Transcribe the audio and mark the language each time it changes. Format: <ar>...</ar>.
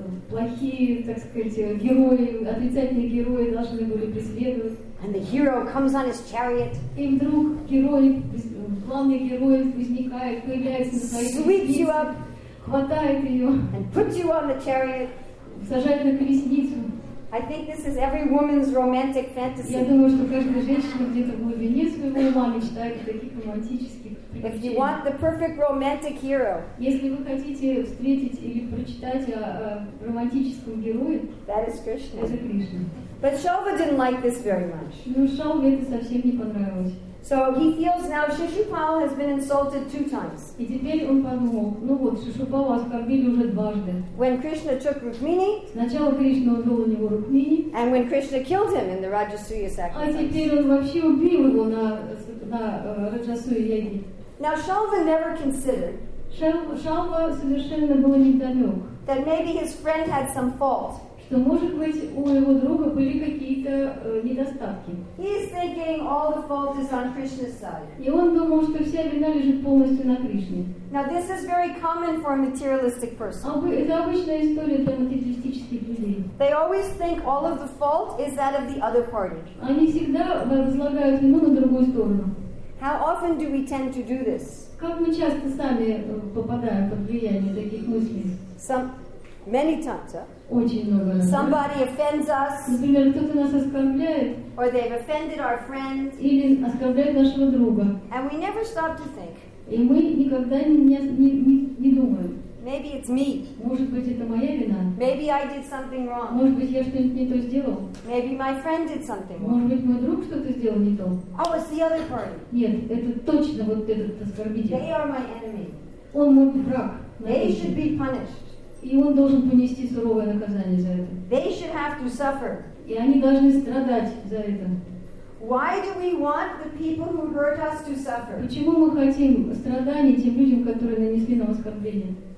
<ru>Плохие, так сказать, герои, отрицательные герои должны были преследовать.</ru> <en>And the hero comes on his chariot.</en> <ru>И вдруг герой, главный герой возникает, появляется на своей колеснице, хватает ее,</ru> <en>and puts you on the chariot.</en> <ru>Сажает на колесницу.</ru> <en>I think this is every woman's romantic fantasy.</en> <ru>Я думаю, что каждая женщина где-то в глубине своего ума мечтает о таких романтических</ru> <en>If you want the perfect romantic hero,</en> <ru>если вы хотите встретить или прочитать о романтическом герое,</ru> <en>that is Krishna.</en> <ru>Это Кришна.</ru> <en>But Shalva didn't like this very much.</en> <ru>Но Шалве это совсем не понравилось.</ru> <en>So he feels now Shishupal has been insulted two times.</en> <ru>И теперь он подумал, ну вот Шишупала оскорбили уже дважды.</ru> <en>When Krishna took Rukmini,</en> <ru>сначала Кришна отбил у него Рукмини,</ru> <en>and when Krishna killed him in the Rajasuya sacrifice.</en> <ru>А теперь он вообще убил его на Раджасуя яги.</ru> <en>Now Shalva never considered.</en> <ru>Шалва совершенно был недалек.</ru> <en>That maybe his friend had some fault.</en> <ru>Что, может быть, у его друга были какие-то недостатки.</ru> <en>He is thinking all the fault is on Krishna's side.</en> <ru>И он думал, что вся вина лежит полностью на Кришне.</ru> <en>Now this is very common for a materialistic person.</en> <ru>Это обычная история для материалистических людей.</ru> <en>They always think all of the fault is that of the other party.</en> <ru>Они всегда возлагают вину на другую сторону.</ru> <en>How often do we tend to do this?</en> <ru>Как мы часто сами попадаем под влияние таких мыслей?</ru> <en>Many times,</en> <ru>Очень много раз.</ru> <en>Somebody offends us.</en> <ru>Например, кто-то нас оскорбляет.</ru> <en>Or they've offended our friend.</en> <ru>Или оскорбляет нашего друга.</ru> <en>And we never stop to think.</en> <ru>И мы никогда не думаем.</ru> <en>Maybe it's me.</en> <ru>Может быть, это моя вина.</ru> <en>Maybe I did something wrong.</en> <ru>Может быть, я что-нибудь не то сделал.</ru> <en>Maybe my friend did something wrong.</en> <ru>Может быть, мой друг что-то сделал не то.</ru> <en>Oh, it's the other party.</en> <ru>Нет, это точно вот этот оскорбитель.</ru> <en>They are my enemy.</en> <ru>Он мой враг.</ru> <en>They should be punished.</en> <ru>И он должен понести суровое наказание за это.</ru> <en>They should have to suffer.</en> <ru>И они должны страдать за это.</ru> <en>Why do we want the people who hurt us to suffer?</en> <ru>Почему мы хотим страданий тем людям, которые нанесли нам оскорбление?</ru>